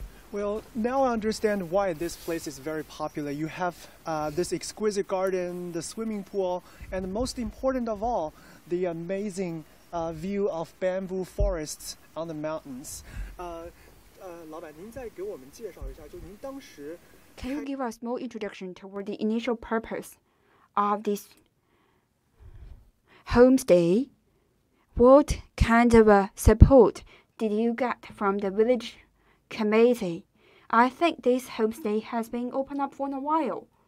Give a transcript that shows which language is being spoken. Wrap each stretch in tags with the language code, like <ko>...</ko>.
<en>Well, now I understand why this place is very popular. You have this exquisite garden, the swimming pool, and most important of all, the amazing view of bamboo forests on the mountains.</en> <zh>老板，您再给我们介绍一下，就您当时。</zh> <en>Can you give us more introduction toward the initial purpose of this homestay? What kind of support did you get from the village committee? I think this homestay has been open up for a while.</en>